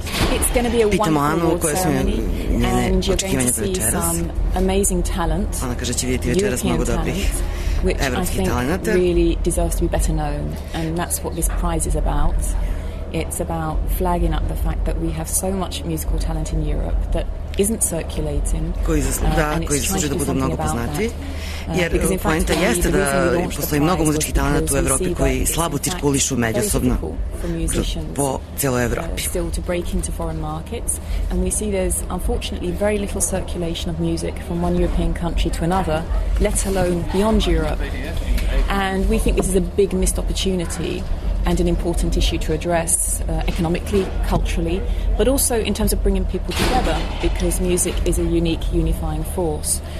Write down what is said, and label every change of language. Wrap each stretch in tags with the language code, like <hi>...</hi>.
<en>It's going to be a wonderful ceremony, and you're going to see some amazing talent.</en> <sr>Ona kaže će vidjeti večeras mnogo dobrih evropskih talenata.</sr> <en>Really deserves to be better known, and that's what this prize is about. It's about flagging up the fact that we have so much musical talent in Europe that isn't circulating.</en> <sr>Koji zaslužuju da budu mnogo poznati. Jer poenta jeste da postoji mnogo muzičkih talenata u Evropi koji slabo cirkulišu međusobno po celoj Evropi.</sr> <en>Still to break into foreign markets, and we see there's unfortunately very little circulation of music from one European country to another, let alone beyond Europe. And we think this is a big missed opportunity and an important issue to address economically, culturally, but also in terms of bringing people together, because music is a unique unifying force.</en>